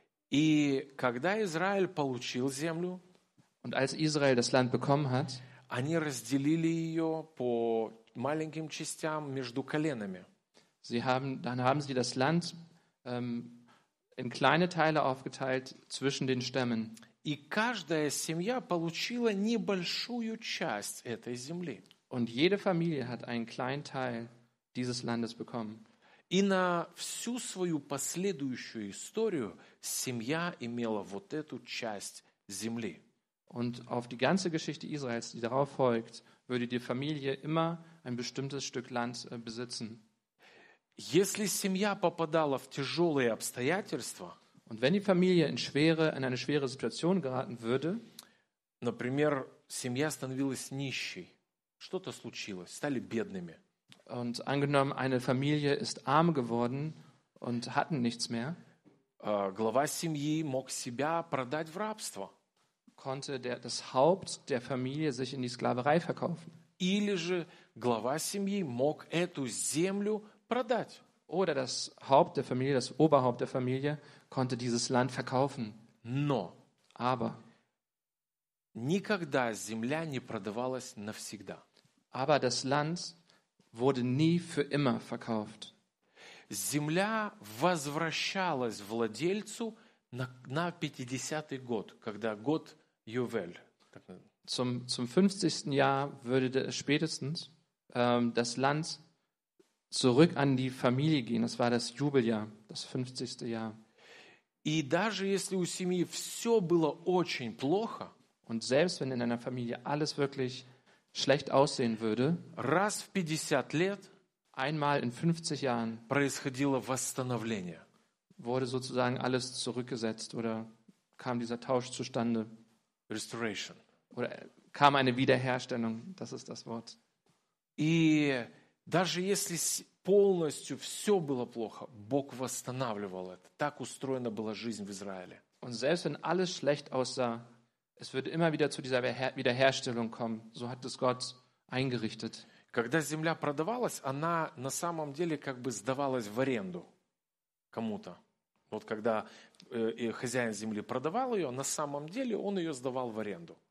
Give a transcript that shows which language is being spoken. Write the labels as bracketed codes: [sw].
[ru] И когда Израиль получил землю, [de] und als Israel das Land bekommen hat, [ru] они разделили ее по маленьким частям между коленами. [de] Dann haben sie das Land in kleine Teile aufgeteilt zwischen den Stämmen. [ru] И каждая семья получила небольшую часть этой земли. [de] Und jede Familie hat einen kleinen Teil dieses Landes bekommen. [ru] И на всю свою последующую историю семья имела вот эту часть земли. [de] Und auf die ganze Geschichte Israels, die darauf folgt, würde die Familie immer ein bestimmtes Stück Land besitzen. [ru] Если семья попадала в тяжелые обстоятельства, [de] und wenn die Familie in eine schwere Situation geraten würde, [ru] например, семья становилась нищей, что-то случилось, стали бедными. [de] Und angenommen, eine Familie ist arm geworden und hatten nichts mehr, [ru] глава семьи мог себя продать в рабство. [de] Konnte das Haupt der Familie sich in die Sklaverei verkaufen. [ru] Или же глава семьи мог эту землю продать. [de] Oder das Haupt der Familie, das Oberhaupt der Familie, konnte dieses Land verkaufen. [ru] Но [de] aber [ru] никогда земля не продавалась навсегда. [de] Aber das Land wurde nie für immer verkauft. [ru] Земля возвращалась владельцу на 50-й год, когда год Ювел. [de] Zum 50. Jahr würde spätestens das Land zurück an die Familie gehen. Das war das Jubeljahr, das 50. Jahr. [ru] И даже если у семьи все было очень плохо, [de] und selbst wenn in einer Familie alles wirklich schlecht aussehen würde, [ru] раз в 50 лет, [de] einmal in 50 Jahren, [ru] происходило восстановление. [de] Wurde sozusagen alles zurückgesetzt oder kam dieser Tausch zustande. [en] Restoration. [de] Oder kam eine Wiederherstellung, das ist das Wort. [ru] И даже если полностью все было плохо, Бог восстанавливал это. Так устроена была жизнь в Израиле. [de] Und selbst wenn alles schlecht aussah, es würde immer wieder zu dieser Wiederherstellung kommen. So hat es Gott eingerichtet. [ru] Когда земля продавалась, она на самом деле как бы сдавалась в аренду кому-то. Вот когда хозяин земли продавал ее, на самом деле он ее сдавал в аренду.